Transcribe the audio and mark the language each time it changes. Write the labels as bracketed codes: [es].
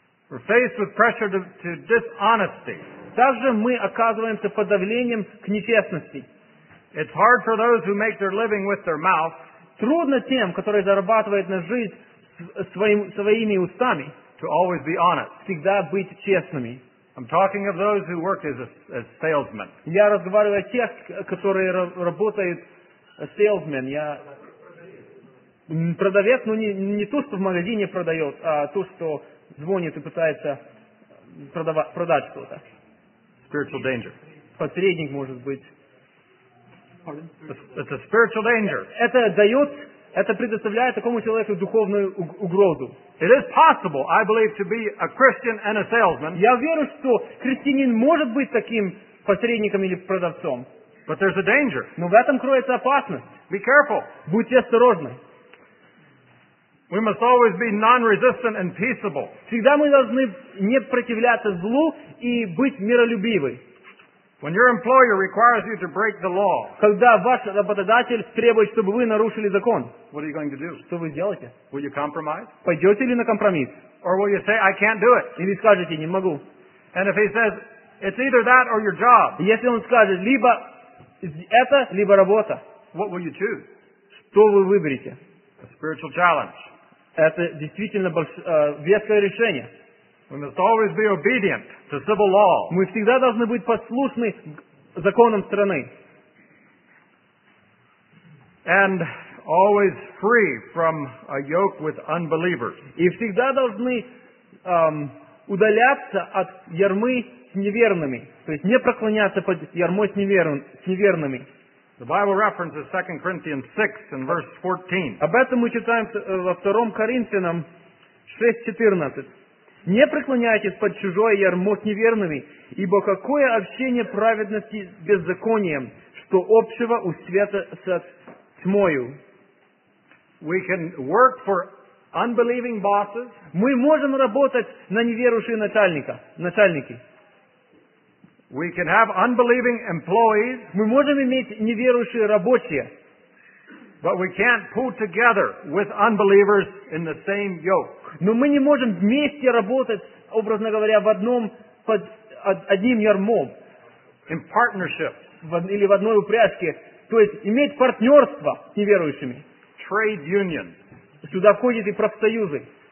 [en] We're faced with pressure to dishonesty. [ru] Также мы оказываемся под давлением к нечестности. [en] It's hard for those who make their living with their mouth. [ru] Трудно тем, которые зарабатывают на жизнь своими устами. [en] To always be honest. [ru] Всегда быть честными. [en] I'm talking of those who work as salesmen. [ru] Я разговариваю о тех, которые работают salesmen. Я продавец, но не то, что в магазине продает, а то, что звонит и пытается продать что-то. [en] Spiritual danger. [ru] Посредник может быть. [en] It's a spiritual danger. [ru] Это предоставляет такому человеку духовную угрозу. [en] It is possible, I believe, to be a Christian and a salesman. [ru] Я верю, что христианин может быть таким посредником или продавцом. [en] But there's a danger. [ru] Но в этом кроется опасность. [en] Be careful. [ru] Будьте осторожны. [en] We must always be non-resistant and peaceable. [ru] Всегда мы должны не противляться злу и быть миролюбивы. [en] When your employer requires you to break the law, [ru] когда ваш работодатель требует, чтобы вы нарушили закон, [en] what are you going to do? [ru] Что вы сделаете? [en] Will you compromise? [ru] Пойдете ли на компромисс? [en] Or will you say, I can't do it? [ru] Или скажете, не могу? [en] And if he says, it's either that or your job, [ru] если он скажет, либо это, либо работа, [en] what will you choose? [ru] Что вы выберете? [en] A spiritual challenge. [ru] Это действительно веское решение. [en] We must always be obedient to civil law. [ru] Мы всегда должны быть послушны законам страны. [en] And always free from a yoke with unbelievers. [ru] И всегда должны удаляться от ярмы с неверными, то есть не преклоняться под ярмой с неверными. [en] The Bible references 2 Corinthians 6 and verse 14. [ru] Об этом мы читаем во 2 Коринфянам 6:14. Не преклоняйтесь под чужое ярмо с неверными, ибо какое общение праведности с беззаконием, что общего у света с тьмою. [en] We can work for unbelieving bosses. [ru] Мы можем работать на неверующие начальники. [en] We can have unbelieving employees. [ru] Мы можем иметь неверующие рабочие. [en] But we can't pull together with unbelievers in the same yoke. [ru] Но мы не можем вместе работать, образно говоря, в одном под одним ярмом. [en] In partnership. [ru] Или в одной упряжке. То есть иметь партнерство с неверующими. [en] Trade union. [ru] Сюда входят и профсоюзы.